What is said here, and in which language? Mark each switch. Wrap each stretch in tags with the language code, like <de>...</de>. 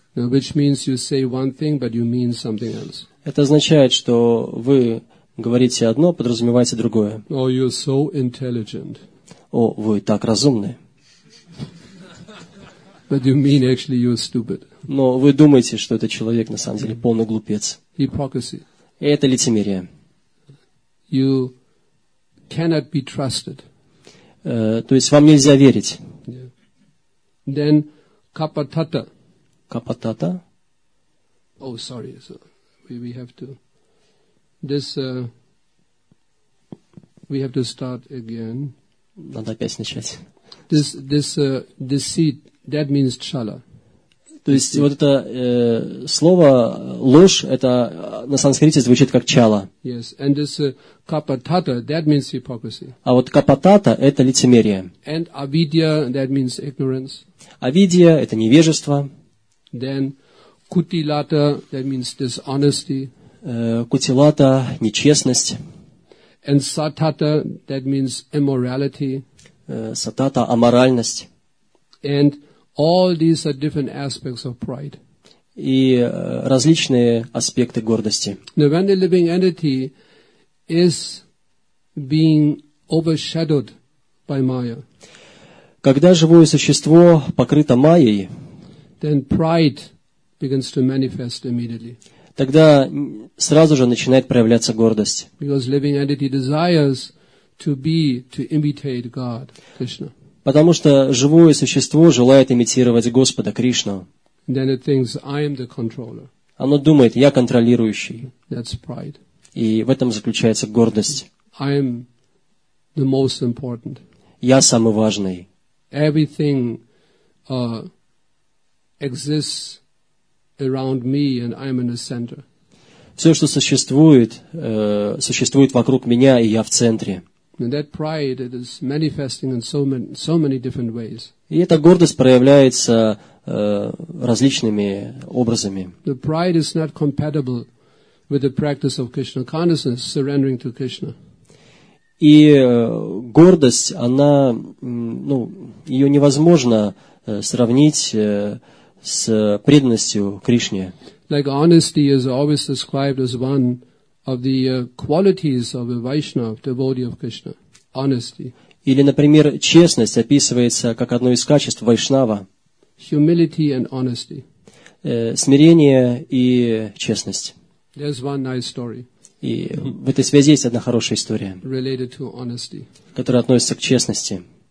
<en>Which means you say one thing, but you mean something else.</en> <ru>Это означает, что вы говорите одно, подразумеваете другое.</ru> <en>Oh, you're so intelligent.</en> <ru>О, вы так разумны.</ru> <en>But you mean actually you're stupid.</en> <ru>Но вы думаете, что этот человек на самом деле полный глупец.</ru> <en>Hypocrisy.</en> <ru>И это лицемерие.</ru> <en>You cannot be trusted.</en> <ru>То есть вам нельзя верить.</ru> <en>Yeah. Then Kapatata. Kapatata? Oh, sorry. So we have to... This... we have to start again.</en> <ru>Надо опять начать.</ru> <en>This deceit, that means chala.</en> <ru>То есть вот это слово ложь, это на санскрите звучит как чала.</ru> <en>Yes, and this kapatata, that means hypocrisy.</en> <ru>А вот kapatata, это лицемерие.</ru> <en>And avidya, that means ignorance.</en> <ru>Авидия – это невежество.</ru> <en>Then kutilata, that means dishonesty.</en> <ru>Кутилата – нечестность.</ru> <en>And satata, that means immorality.</en> <ru>Сатата – аморальность.</ru> <en>And all these are different aspects of pride.</en> <ru>И различные аспекты гордости.</ru> <en>Now, when the living entity is being overshadowed by Maya,</en> <ru>когда живое существо покрыто майей,</ru> <en>then pride begins to manifest immediately.</en> <ru>Тогда сразу же начинает проявляться гордость.</ru> <en>Because living entity desires to be, to imitate God, Krishna.</en> <ru>Потому что живое существо желает имитировать Господа Кришну.</ru> <en>Then it thinks, I am the controller.</en> <ru>Оно думает, я контролирующий.</ru> <en>That's pride.</en> <ru>И в этом заключается гордость.</ru> <en>I am the most important.</en> <ru>Я самый важный.</ru> <en>Everything exists around me and I'm in the center.</en> <ru>все, что существует, существует вокруг меня, и я в центре.</ru> <en>And that pride, it is manifesting in so many different ways.</en> <ru>И эта гордость проявляется различными образами.</ru> <en>The pride is not compatible with the practice of Krishna consciousness, surrendering to Krishna.</en> <ru>И гордость, она, ну, ее невозможно сравнить с преданностью Кришне.</ru> <en>Like honesty is always described as one of the qualities of a Vaishnava, devotee of Krishna. Honesty.</en> <ru>Или, например, честность описывается как одно из качеств Вайшнава.</ru> <en>Humility and honesty.</en> <ru>Смирение и честность.</ru> <en>There's one nice story.</en> <ru>И в этой связи есть одна хорошая история,</ru> <en>related to honesty,</en> <ru>которая относится к честности.</ru>